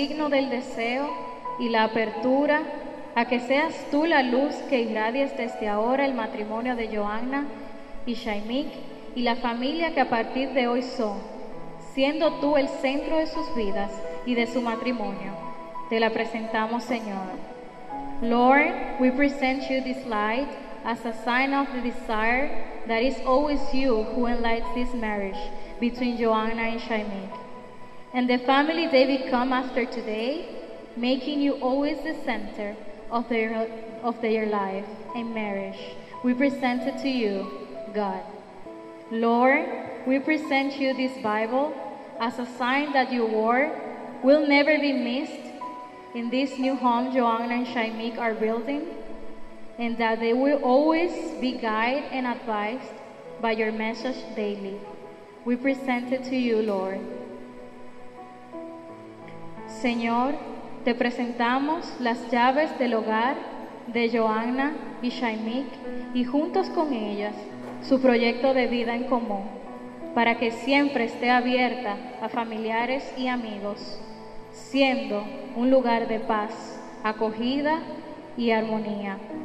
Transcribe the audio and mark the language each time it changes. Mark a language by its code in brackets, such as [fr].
[es] Del deseo y la apertura a que seas tú la luz que irradies desde ahora el matrimonio de Johanna y Shainik y la familia que a partir de hoy son, siendo tú el centro de sus vidas y de su matrimonio. Te la presentamos, Señor. [en] Lord, we present you this light as a sign of the desire that is always you who enlightens this marriage between Joanna and Shaimik. And the family they become after today, making you always the center of their life and marriage, we present it to you, God. Lord, we present you this Bible as a sign that your word will never be missed in this new home Joanna and Shaimik are building, and that they will always be guided and advised by your message daily. We present it to you, Lord. [es] Señor, te presentamos las llaves del hogar de Joanna y Shaimik y juntos con ellas su proyecto de vida en común, para que siempre esté abierta a familiares y amigos, siendo un lugar de paz, acogida y armonía.